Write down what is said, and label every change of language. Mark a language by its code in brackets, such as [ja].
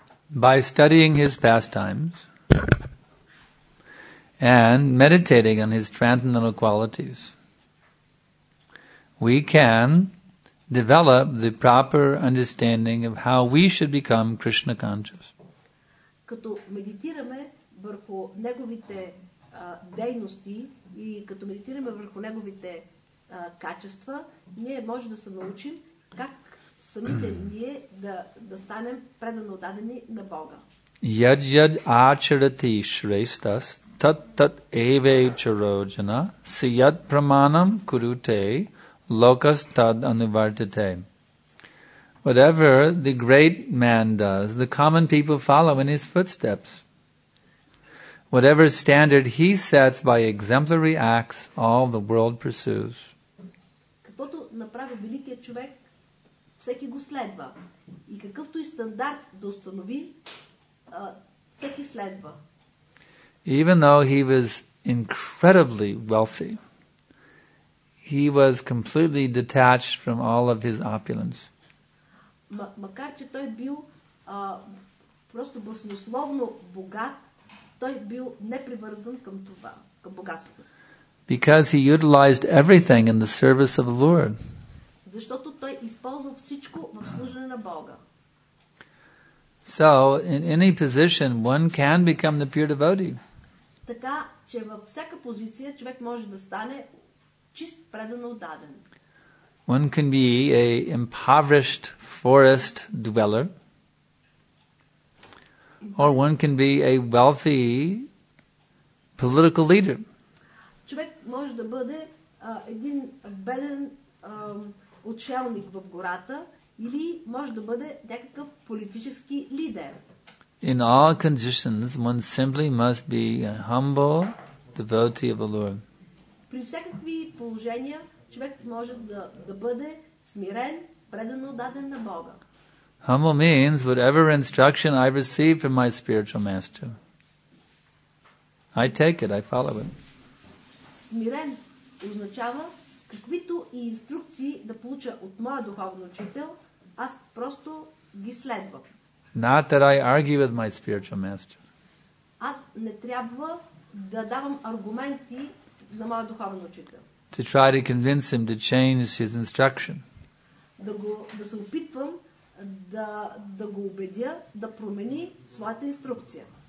[en] By studying his pastimes and meditating on his transcendental qualities, we can develop the proper understanding of how we should become Krishna conscious. [bg] Като медитираме върху неговите дейности и като медитираме върху неговите качества, ние може да се научим как самите ние да станем предано дадени на Бога. [sa] Yad yad acharati shrestas tat tat eve charojana siyat pramanam kurute lokas tad anuvartate. [en] Whatever the great man does, the common people follow in his footsteps. Whatever standard he sets by exemplary acts, all the world pursues. [bg] Каквото направи великият човек, всеки го следва. И какъвто и стандарт да установи, всеки следва. [en] Even though he was incredibly wealthy, he was completely detached from all of his opulence. [bg] Макар че той бил просто баснословно богат, той бил непривързан към това, към богатството си. [en] Because he utilized everything in the service of the Lord. [bg] Защото той използвал всичко в служене на Бога. [en] So, in any position, one can become the pure devotee. [bg] Така че във всяка позиция човек може да стане чист предано отдаден. [en] One can be a impoverished forest dweller, or one can be a wealthy political leader. [bg] Човек може да бъде един беден отшелник в гората. Или може да бъде някакъв политически лидер. [en] In all conditions, one simply must be a humble devotee of the Lord. [bg] При всякакви положения, човек може да бъде смирен, предано даден на Бога. [en] Humble means whatever instruction I receive from my spiritual master. I take it, I follow it. [bg] Смирен означава каквито и инструкции да получа от моя духовен учител, аз просто ги следвам. [en] Not that I argue with my spiritual master. [bg] Аз не трябва да давам аргументи на моя духовен учител. [en] To try to convince him to change his instruction. [bg] Да се опитвам да го убедя да промени своята инструкция.